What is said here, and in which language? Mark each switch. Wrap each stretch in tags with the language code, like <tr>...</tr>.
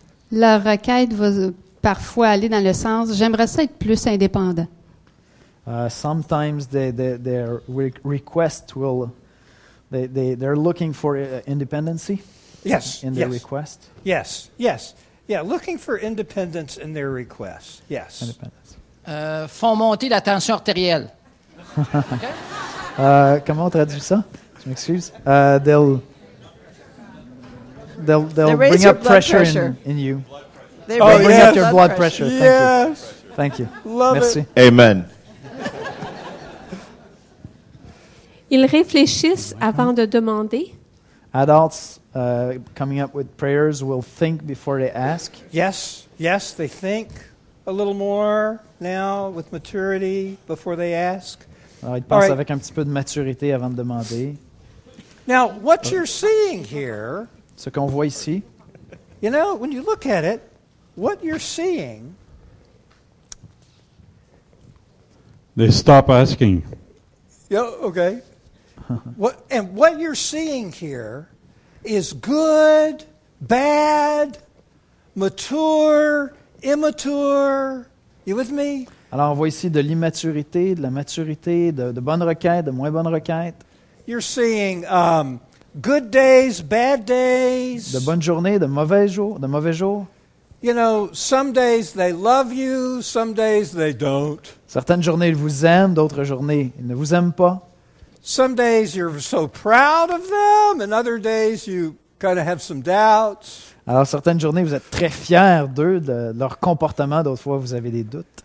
<fr>La requête va parfois aller dans le sens j'aimerais ça être plus indépendant.</fr> <en>Sometimes their request will they're looking for independency. Yes. In their request. Yes. Yes. Yeah, looking for independence in their request. Yes. Independence.</en> <fr>Font monter la tension artérielle. Okay. Comment on traduit ça? Je m'excuse.</fr> <en>They'll raise bring your up blood pressure in you. They bring up your blood pressure. Thank you. Thank you. Love</en> <fr>Merci.</fr> <en>It. Amen.</en> <fr>Ils réfléchissent avant de demander.</fr> <en>Adults coming up with prayers will think before they ask. Yes, yes, they think a little more now with maturity before they ask.</en> <fr>Alors, ils pensent avec un petit peu de maturité avant de demander.</fr> <en>Now, what you're seeing here,</en> <fr>ce qu'on voit ici,</fr> <en>you know, when you look at it, what you're seeing, they stop asking. Yeah, okay. What you're seeing here is good, bad, mature, immature. You with me?</en> <fr>Alors on voit ici de l'immaturité, de la maturité, de bonnes requêtes, de moins bonnes requêtes.</fr> <en>You're seeing good days, bad days.</en> <fr>De bonnes journées, de mauvais jours.</fr> <en>You know, some days they love you, some days they don't.</en> <fr>Certaines journées ils vous aiment, d'autres journées ils ne vous aiment pas.</fr> <en>Some days you're so proud of them, and other days you kind of have some doubts.</en> <fr>Alors certaines journées vous êtes très fiers d'eux, de leur comportement, d'autres fois vous avez des doutes.</fr>